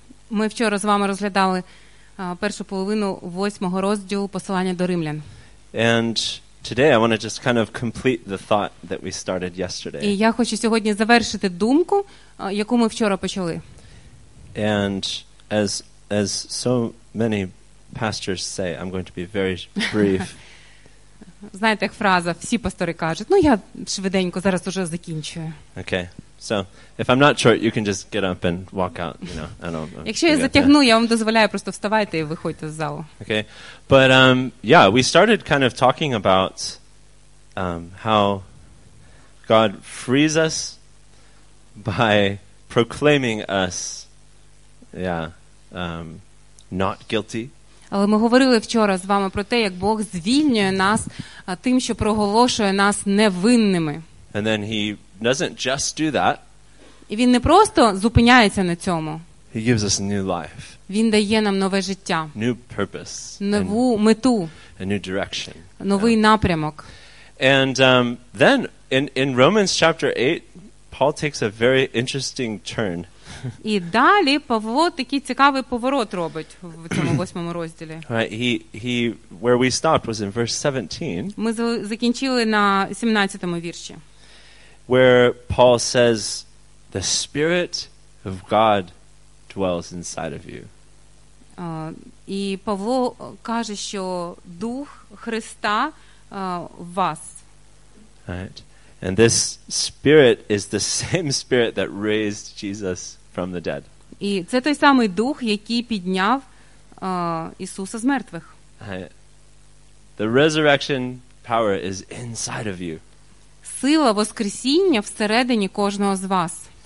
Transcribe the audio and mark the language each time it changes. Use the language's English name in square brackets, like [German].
[Ukrainian] Ми вчора з вами розглядали першу половину 8-го розділу Послання до Римлян. [English] And today I want to just kind of complete the thought that we started yesterday. [Ukrainian] І я хочу сьогодні завершити думку, яку ми вчора почали. [English] And as so many pastors say, I'm going to be very brief. [Ukrainian] Знаєте, як фраза, всі пастори кажуть, ну я швиденько зараз уже закінчую. [English] Okay. So, if I'm not short, you can just get up and walk out, you know. I don't know. [Ukrainian] Якщо я затягну, я вам дозволяю просто вставайте і виходьте з залу. [English] Okay. But we started kind of talking about how God frees us by proclaiming us not guilty. [Ukrainian] Але ми говорили вчора з вами про те, як Бог звільнює нас тим, що проголошує нас невинними. [English] And then he doesn't just do that. [Ukrainian] І він не просто зупиняється на цьому. [English] He gives us a new life. [Ukrainian] Він дає нам нове життя. [English] New purpose. [Ukrainian] Нову мету. [English] A new direction. [Ukrainian] Новий напрямок. [English] And then in Romans chapter 8, Paul takes a very interesting turn. [Ukrainian] І далі Павло такий цікавий поворот робить в цьому восьмому розділі. [English] Where we stopped was in verse 17. [Ukrainian] Ми закінчили на 17-му вірші. [English] Where Paul says the spirit of God dwells inside of you. [Ukrainian] І Павло каже, що дух Христа в вас. [English] Right. And this spirit is the same spirit that raised Jesus from the dead. [Ukrainian] І це той самий дух, який підняв Ісуса з мертвих. [English] The resurrection power is inside of you. [Ukrainian] Сила воскресіння всередині кожного з вас.